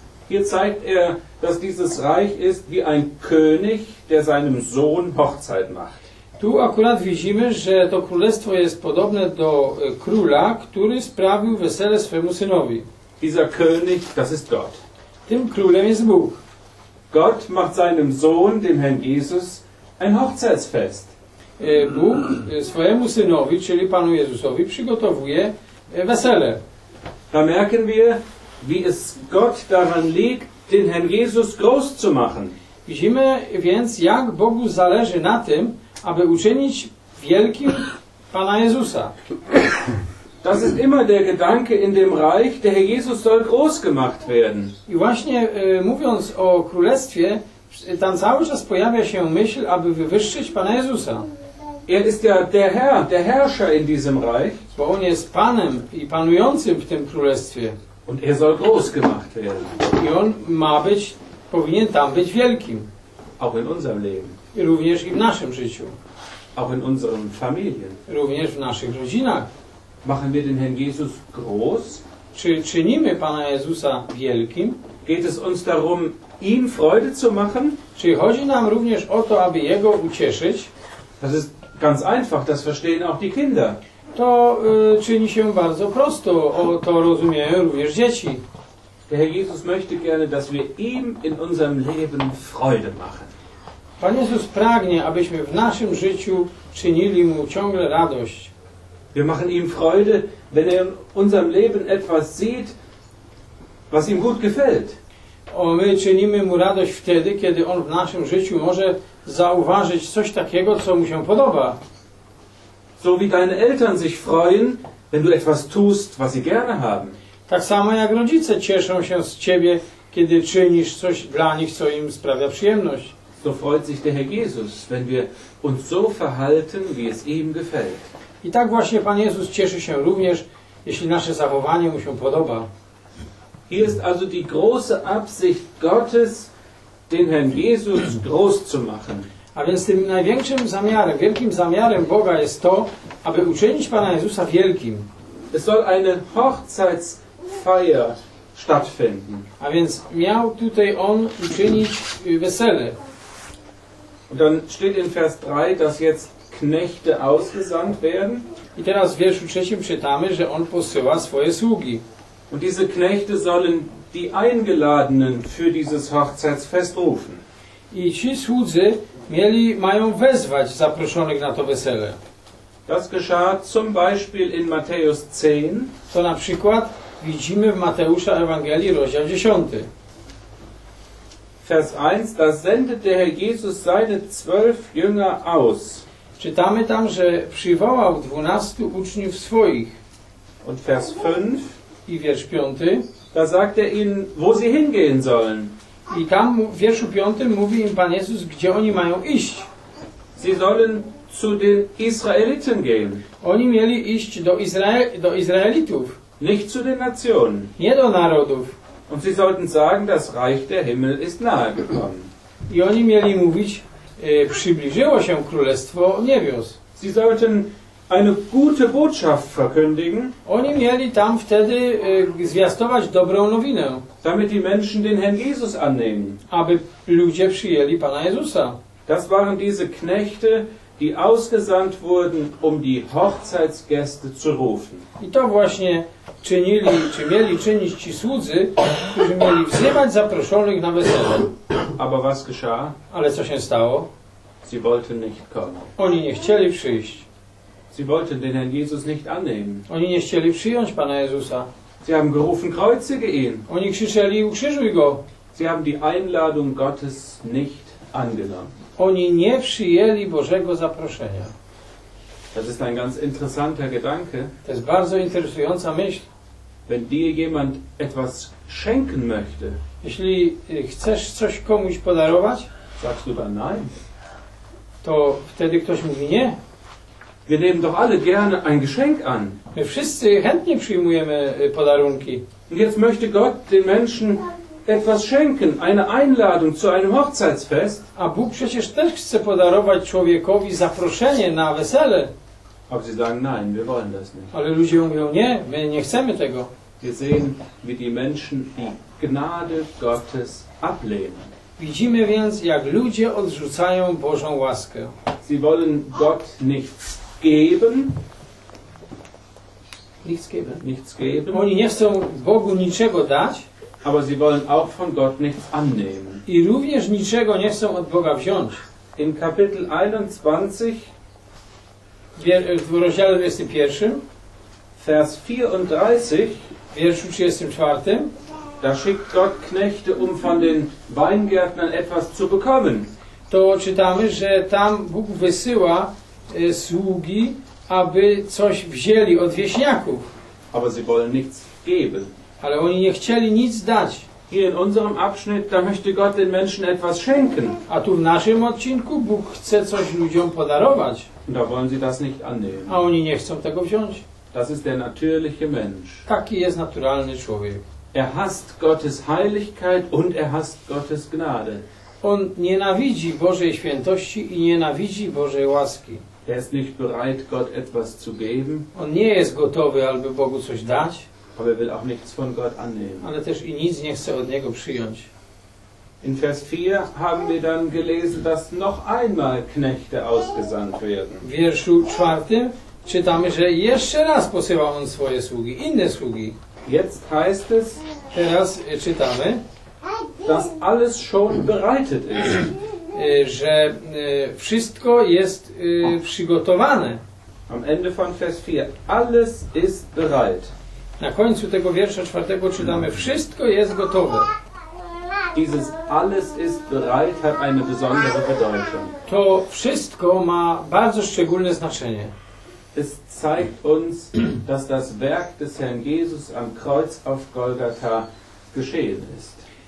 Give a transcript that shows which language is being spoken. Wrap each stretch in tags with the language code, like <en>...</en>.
<de>Hier zeigt er, dass dieses Reich ist wie ein König, der seinem Sohn Hochzeit macht.</de> <pl>Tu akurat widzimy, że to królestwo jest podobne do króla, który sprawił wesele swemu synowi.</pl> <de>Dieser König, das ist Gott.</de> <pl>Tym królem jest Bóg.</pl> <de>Gott macht seinem Sohn, dem Herrn Jesus, ein Hochzeitsfest.</de> <pl>Bóg swojemu synowi, czyli Panu Jezusowi, przygotowuje wesele.</pl> <de>Da merken wir, wie es Gott daran liegt, den Herrn Jesus groß zu machen.</de> <pl>Widzimy więc, jak Bogu zależy na tym, aby uczynić wielkim Pana Jezusa.</pl> <de>Das ist immer der Gedanke in dem Reich, der Herr Jesus soll groß gemacht werden.</de> <pl>I właśnie mówiąc o Królestwie, tam cały czas pojawia się myśl, aby wywyższyć Pana Jezusa.</pl> <de>Er ist ja der Herr, der Herrscher in diesem Reich.</de> <pl>Bo on jest Panem i panującym w tym Królestwie.</pl> <de>Und er soll groß gemacht werden.</de> <pl>I on ma być, powinien tam być wielkim.</pl> <de>Auch in unserem Leben.</de> <pl>Również i w naszym życiu.</pl> <de>Auch in unseren Familien.</de> <pl>Również w naszych rodzinach.</pl> <de>Machen wir den Herrn Jesus groß?</de> <pl>Czy czynimy Pana Jezusa wielkim?</pl> <de>Geht es uns darum, ihm Freude zu machen?</de> <pl>Czy chodzi nam również o to, aby Jego ucieszyć?</pl> <de>Das ist ganz einfach, das verstehen auch die Kinder.</de> <pl>To czyni się bardzo prosto, o to rozumieją również dzieci.</pl> <de>Der Herr Jesus möchte gerne, dass wir ihm in unserem Leben Freude machen.</de> <pl>Pan Jezus pragnie, abyśmy w naszym życiu czynili mu ciągle radość.</pl> <de>Wir machen ihm Freude, wenn er in unserem Leben etwas sieht, was ihm gut gefällt.</de> <pl>O, my czynimy mu radość wtedy, kiedy on w naszym życiu może zauważyć coś takiego, co mu się podoba.</pl> <de>So wie deine Eltern sich freuen, wenn du etwas tust, was sie gerne haben.</de> <pl>Tak samo jak rodzice cieszą się z ciebie, kiedy czynisz coś dla nich, co im sprawia przyjemność.</pl> <de>So freut sich der Herr Jesus, wenn wir uns so verhalten, wie es ihm gefällt.</de> <pl>I tak właśnie Pan Jezus cieszy się również, jeśli nasze zachowanie mu się podoba.</pl> <de>Hier ist also die große Absicht Gottes, den Herrn Jesus groß zu machen.</de> <pl>A więc tym największym zamiarem, wielkim zamiarem Boga jest to, aby uczynić Pana Jezusa wielkim.</pl> <de>Es soll eine Hochzeitsfeier stattfinden.</de> <pl>A więc miał tutaj on uczynić wesele.</pl> <de>Und dann steht in Vers 3, dass jetzt Knechte ausgesandt werden.</de> <pl>I teraz w wierszu trzecim czytamy, że on posyła swoje sługi.</pl> <de>Und diese Knechte sollen die Eingeladenen für dieses Hochzeitsfest rufen.</de> <pl>I ci słudzy mają wezwać zaproszonych na to wesele.</pl> <de>Das geschah zum Beispiel in Matthäus 10.</de> <pl>To na przykład widzimy w Mateusza Ewangelii, rozdział 10.</pl> <de>Vers 1, da sendete der Herr Jesus seine 12 Jünger aus.</de> <pl>Czytamy tam, że przywołał 12 uczniów swoich.</pl> <de>Und Vers 5,</de> <pl>i wiersz 5,</pl> <de>da sagt er ihnen, wo sie hingehen sollen.</de> <pl>I tam w wierszu 5 mówi im Pan Jezus, gdzie oni mają iść.</pl> <de>Sie sollen zu den Israeliten gehen.</de> <pl>Oni mieli iść do Izraelitów.</pl> <de>Nicht zu den Nationen.</de> <pl>Nie do narodów.</pl> <de>Und sie sollten sagen, das Reich der Himmel ist nahe gekommen.</de> <pl>I oni mieli mówić, przybliżyło się Królestwo Niebios.</pl> <de>Sie sollten eine gute Botschaft verkündigen.</de> <pl>Oni mieli tam wtedy zwiastować dobrą nowinę.</pl> <de>Damit die Menschen den Herrn Jesus annehmen.</de> <pl>Aby ludzie przyjęli Pana Jezusa.</pl> <de>Das waren diese Knechte, die ausgesandt wurden, um die Hochzeitsgäste zu rufen.</de> <pl>I to właśnie czynili, czy mieli czynić ci słudzy, którzy mieli wzywać zaproszonych na wesele.</pl> <de>Aber was geschah?</de> <pl>Ale co się stało?</pl> <de>Sie wollten nicht kommen.</de> <pl>Oni nie chcieli przyjść.</pl> <de>Sie wollten den Herrn Jesus nicht annehmen.</de> <pl>Oni nie chcieli przyjąć Pana Jezusa.</pl> <de>Sie haben gerufen, kreuzige ihn.</de> <pl>Oni krzyczeli, ukrzyżuj go.</pl> <de>Sie haben die Einladung Gottes nicht angenommen.</de> <pl>Oni nie przyjęli Bożego zaproszenia.</pl> <de>Das ist ein ganz interessanter Gedanke.</de> <pl>To jest bardzo interesująca myśl.</pl> <de>Wenn dir jemand etwas schenken möchte,</de> <pl>jeśli chcesz coś komuś podarować,</pl> <de>sagst du dann nein.</de> <pl>To wtedy ktoś mówi nie.</pl> <de>Wir nehmen doch alle gerne ein Geschenk an.</de> <pl>My wszyscy chętnie przyjmujemy podarunki.</pl> <de>Und jetzt möchte Gott den Menschen etwas schenken, eine Einladung zu einem Hochzeitsfest.</de> <pl>A Bóg przecież też chce podarować człowiekowi zaproszenie na wesele.</pl> <de>Aber sie sagen, nein, wir wollen das nicht.</de> <pl>Ale ludzie mówią, nie, my nie chcemy tego.</pl> <de>Wir sehen, wie die Menschen die Gnade Gottes ablehnen.</de> <pl>Widzimy więc, jak ludzie odrzucają Bożą łaskę.</pl> <de>Sie wollen Gott nichts geben. Nichts geben. Nichts geben.</de> <pl>Oni nie chcą Bogu niczego dać.</pl> <de>Aber sie wollen auch von Gott nichts annehmen.</de> <pl>I również niczego nie chcą od Boga wziąć.</pl> <de>In Kapitel 21,</de> <pl>w rozdziale 21,</pl> <de>Vers 34,</de> <pl>w wierszu 34,</pl> <de>da schickt Gott Knechte, um von den Weingärtnern etwas zu bekommen.</de> <pl>To czytamy, że tam Bóg wysyła sługi, aby coś wzięli od wieśniaków.</pl> <de>Aber sie wollen nichts geben.</de> <pl>Ale oni nie chcieli nic dać.</pl> <de>Hier in unserem Abschnitt, da möchte Gott den Menschen etwas schenken.</de> <pl>A tu w naszym odcinku Bóg chce coś ludziom podarować.</pl> <de>Da wollen sie das nicht annehmen.</de> <pl>A oni nie chcą tego wziąć.</pl> <de>Das ist der natürliche Mensch.</de> <pl>Taki jest naturalny człowiek.</pl> <de>Er hasst Gottes Heiligkeit und er hasst Gottes Gnade.</de> <pl>On nienawidzi Bożej świętości i nienawidzi Bożej łaski.</pl> <de>Er ist nicht bereit, Gott etwas zu geben.</de> <pl>On nie jest gotowy, aby Bogu coś dać.</pl> <de>Aber er will auch nichts von Gott annehmen.</de> <pl>Ale też i nic nie chce od Niego przyjąć.</pl> <de>In Vers 4 haben wir dann gelesen, dass noch einmal Knechte ausgesandt werden.</de> <pl>W wierszu 4 czytamy, że jeszcze raz posyła on swoje sługi, inne sługi.</pl> <de>Jetzt heißt es,</de> <pl>teraz czytamy,</pl> <de>dass alles schon bereitet ist.</de> <pl>Że wszystko jest przygotowane.</pl> <de>Am Ende von Vers 4, alles ist bereit.</de> <pl>Na końcu tego wiersza 4 czytamy, wszystko jest gotowe.</pl> <de>Dieses alles ist bereit hat eine besondere Bedeutung.</de> <pl>To wszystko ma bardzo szczególne znaczenie.</pl> <de>Es zeigt uns, dass das Werk des Herrn Jesus am Kreuz auf Golgatha geschehen ist.</de>